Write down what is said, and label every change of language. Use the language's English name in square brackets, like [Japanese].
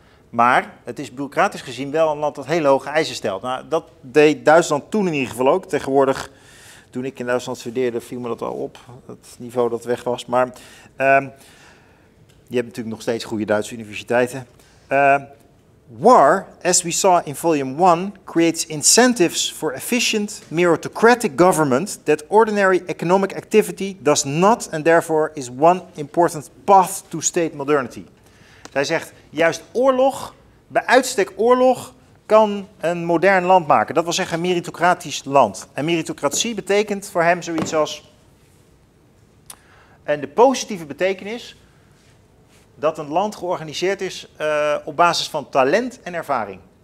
[Dutch] Maar het is bureaucratisch gezien wel een land dat hele hoge eisen stelt. Nou, dat deed Duitsland toen in ieder geval ook. Tegenwoordig, toen ik in Duitsland studeerde, viel me dat al op. Het niveau dat weg was. Maar je hebt natuurlijk nog steeds goede Duitse universiteiten. [English] War, as we saw in volume 1, creates incentives for efficient, meritocratic government that ordinary economic activity does not and therefore is one important path to state modernity. [Dutch] Zij zegt, juist oorlog, bij uitstek oorlog, kan een modern land maken. Dat wil zeggen een meritocratisch land. En meritocratie betekent voor hem zoiets als, en de positieve betekenis, dat een land georganiseerd is op basis van talent en ervaring.